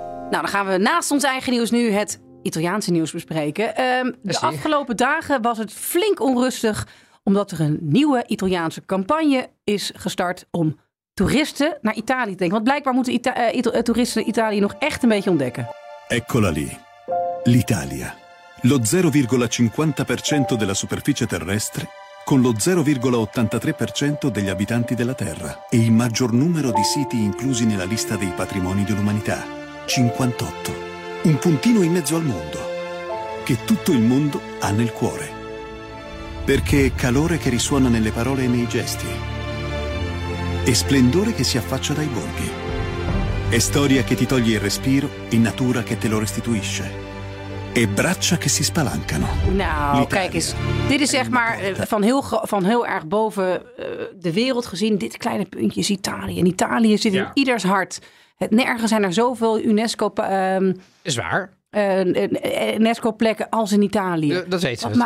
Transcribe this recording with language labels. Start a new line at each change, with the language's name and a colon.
Dutch: Nou, dan gaan we naast ons eigen nieuws nu het Italiaanse nieuws bespreken. De afgelopen dagen was het flink onrustig, omdat er een nieuwe Italiaanse campagne is gestart om... toeristen naar Italië denken. Want blijkbaar moeten toeristen Italië nog echt een beetje ontdekken.
Italian: Eccola lì. L'Italia. Lo 0,50% della superficie terrestre con lo 0,83% degli abitanti della Terra e il maggior numero di siti inclusi nella lista dei patrimoni dell'umanità. 58. Un puntino in mezzo al mondo che tutto il mondo ha nel cuore. Perché è calore che risuona nelle parole e nei gesti. E splendore che si affaccia dai borghi. È storia che ti toglie il respiro e natura che te lo restituisce. E braccia che si spalancano.
Dutch: Nou, L'Italia. Kijk eens. Dit is zeg maar van heel erg boven de wereld gezien. Dit kleine puntje is Italië. En Italië zit in ieders hart. Nergens zijn er zoveel UNESCO... Is waar. UNESCO-plekken als in Italië. Dat weten ze, dat